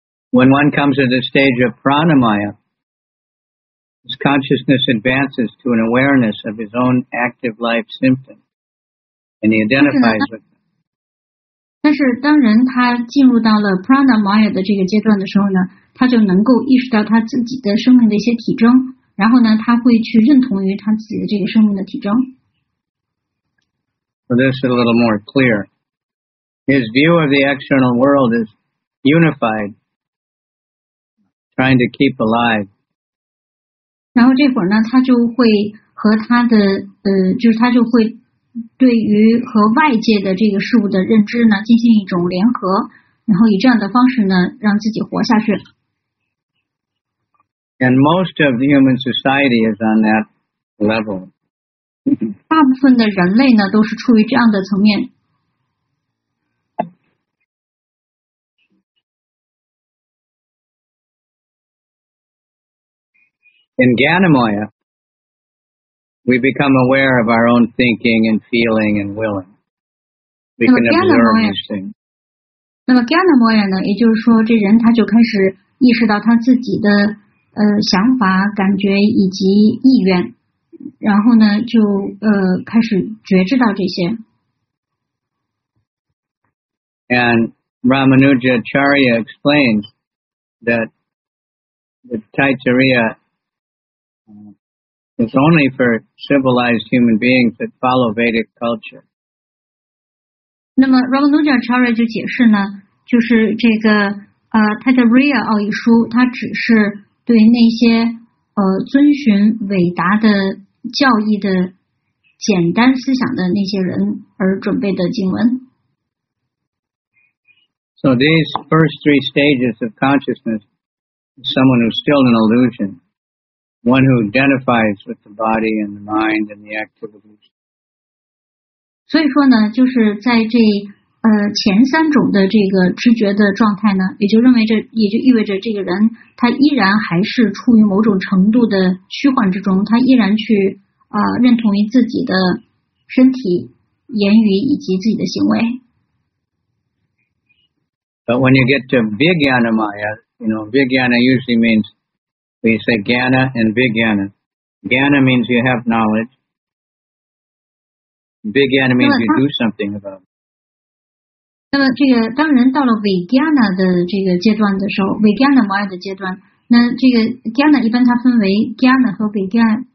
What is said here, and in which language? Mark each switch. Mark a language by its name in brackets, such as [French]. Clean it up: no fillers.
[English] When one comes to the stage of pranamaya, his consciousness advances to an awareness of his own active life symptoms, and he identifies with them. [Chinese] 但是当人他进入到了 pranamaya 的这个阶段的时候呢，他就能够意识到他自己的生命的一些体征。然后呢，他会去认同于他自己的这个生命的体征。 [English] So this is a little more clear. His view of the external world is unified, trying to keep alive. [Chinese] 然后这会儿呢，他就会和他的就是他就会对于和外界的这个事物的认知呢，进行一种联合，然后以这样的方式呢，让自己活下去。 [English] And most of the human society is on that level. [Chinese] 大部分的人类呢都是处于这样的层面。 [English] In Ganamoya, we become aware of our own thinking and feeling and willing. We can observe these things. [Chinese] 那么 Ganamoya 呢，也就是说，这人他就开始意识到他自己的想法、感觉以及意愿，然后呢，就开始觉知到这些。 [English] And Ramanujacharya explains that the Taittiriya. It's only for civilized human beings that follow Vedic culture. [Chinese] 那么 Ramanujacharya 就解释呢，就是这个Taittiriya 奥义书，它只是对那些遵循伟达的教义的简单思想的那些人而准备的经文。 [English] So these first three stages of consciousness, someone who's still an illusion. One who identifies with the body and the mind and the activities. [Chinese] 所以说呢，就是在这前三种的这个知觉的状态呢，也就认为着，也就意味着这个人他依然还是处于某种程度的虚幻之中，他依然去认同于自己的身体、言语以及自己的行为。 [English] But when you get to Vijnana Maya, you know, Vijnana usually means. We say Jnana and Vijnana. Jnana means you have knowledge. Vijnana means you do something about it. [Chinese] 那么这个当人到了 Vijnana 的这个阶段的时候 ，Vijnana Maya 的阶段，那这个 Jnana 一般它分为 Jnana 和 Vijnana。